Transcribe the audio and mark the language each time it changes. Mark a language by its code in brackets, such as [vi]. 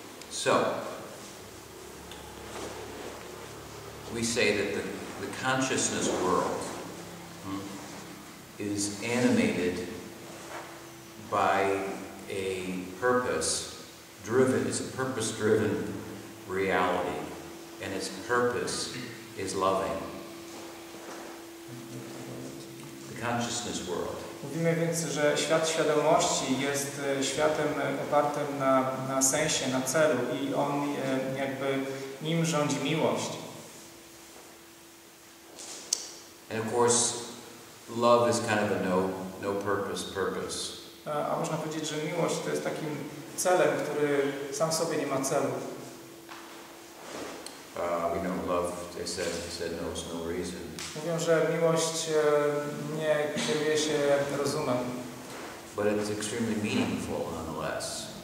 [en] So, we say that the consciousness world is animated by a purpose driven, it's a purpose driven reality, and its purpose is loving. The consciousness world. [pl] Mówimy więc, że świat świadomości jest światem opartym na sensie, na celu i on jakby nim rządzi miłość. [en] And of course, love is kind of a no purpose. [pl] A można powiedzieć, że miłość to jest takim celem, który sam w sobie nie ma celu. [en] We know love, they said knows no reason. [pl] Mówią, że miłość nie kieruje się rozumem. [en] But it's extremely meaningful nonetheless.